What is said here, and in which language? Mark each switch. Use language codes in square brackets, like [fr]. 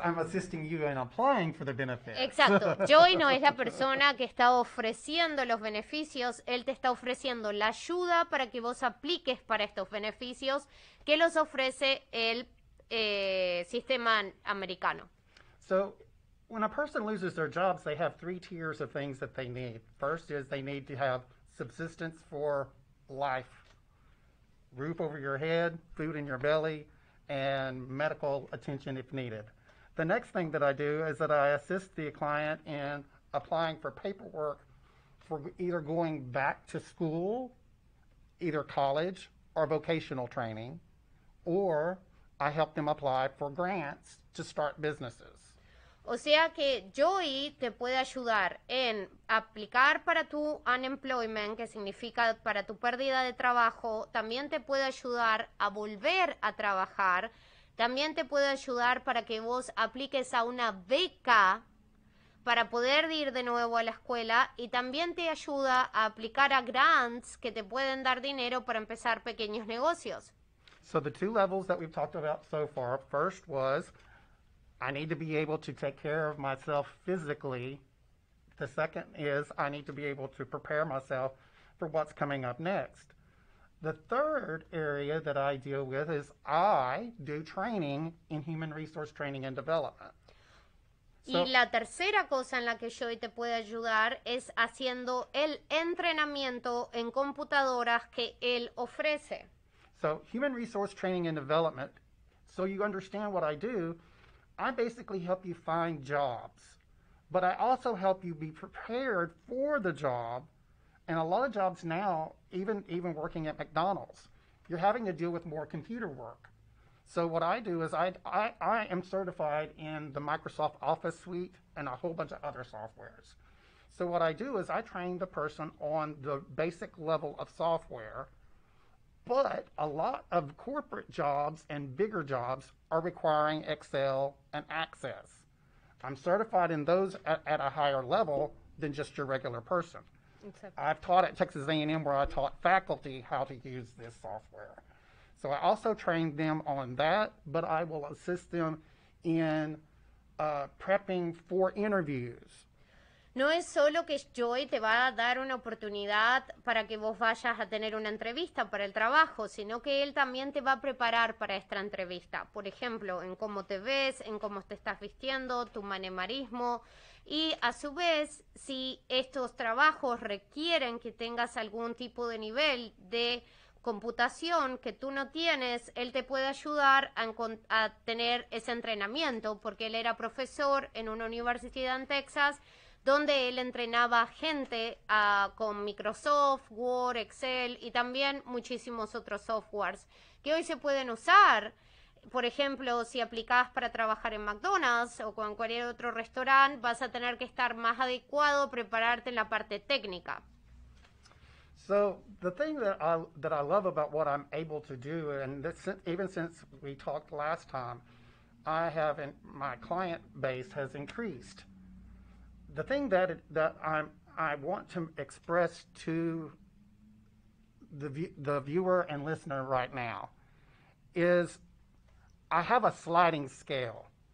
[en] I'm assisting you in applying for the benefits. [es] Exacto. Joy no es la persona que está ofreciendo los beneficios. Él te está ofreciendo la ayuda para que vos apliques para estos beneficios que los ofrece él sistema americano. [en] So when a person loses their jobs, they have three tiers of things that they need. First is they need to have subsistence for life. Roof over your head, food in your belly, and medical attention if needed. The next thing that I do is that I assist the client in applying for paperwork for either going back to school, either college or vocational training, or I help them apply for grants to start businesses. [es] O sea que Joey te puede ayudar en aplicar para tu unemployment, que significa para tu pérdida de trabajo. También te puede ayudar a volver a trabajar. También te puede ayudar para que vos apliques a una beca para poder ir de nuevo a la escuela. Y también te ayuda a aplicar a grants que te pueden dar dinero para empezar pequeños negocios. [en] So the two levels that we've talked about so far, first was I need to be able to take care of myself physically. The second is I need to be able to prepare myself for what's coming up next. The third area that I deal with is I do training in human resource training and development. [es] So, y la tercera cosa en la que yo te puedo ayudar es haciendo el entrenamiento en computadoras que él ofrece. [en] So human resource training and development, so you understand what I do, I basically help you find jobs, but I also help you be prepared for the job. And a lot of jobs now, even working at McDonald's, you're having to deal with more computer work. So what I do is I am certified in the Microsoft Office suite and a whole bunch of other softwares. So what I do is I train the person on the basic level of software, but a lot of corporate jobs and bigger jobs are requiring Excel and Access. I'm certified in those at a higher level than just your regular person. I've taught at Texas A&M where I taught faculty how to use this software. So I also trained them on that, but I will assist them in prepping for interviews. [es] No es solo que Joy te va a dar una oportunidad para que vos vayas a tener una entrevista para el trabajo, sino que él también te va a preparar para esta entrevista. Por ejemplo, en cómo te ves, en cómo te estás vistiendo, tu manerismo. Y a su vez, si estos trabajos requieren que tengas algún tipo de nivel de computación que tú no tienes, él te puede ayudar a tener ese entrenamiento, porque él era profesor en una universidad en Texas, donde él entrenaba gente con Microsoft, Word, Excel y también muchísimos otros softwares que hoy se pueden usar. Por ejemplo, si aplicas para trabajar en McDonald's o con cualquier otro restaurante, vas a tener que estar más adecuado a prepararte en la parte técnica. [en] So, the thing that I love about what I'm able to do, and this, even since we talked last time, I have my client base has increased. The thing that I want to express to the viewer and listener right now is I have a sliding scale.